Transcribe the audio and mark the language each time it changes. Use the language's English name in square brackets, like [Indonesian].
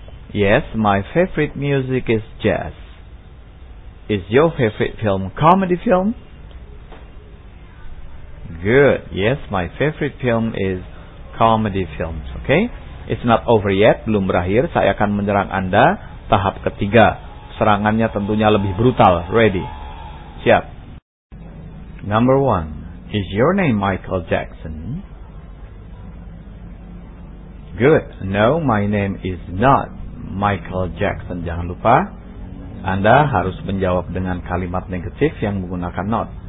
[English] Yes, my favorite music is jazz. Is your favorite film comedy film? Good. Yes, my favorite film is comedy film. Okay? It's not over yet. [Indonesian] Belum berakhir. Saya akan menyerang Anda tahap ketiga. Serangannya tentunya lebih brutal. [English] Ready? [Indonesian] Siap. [English] Number one, is your name Michael Jackson? Good. No, my name is not Michael Jackson. [Indonesian] Jangan lupa, Anda harus menjawab dengan kalimat negatif yang menggunakan not.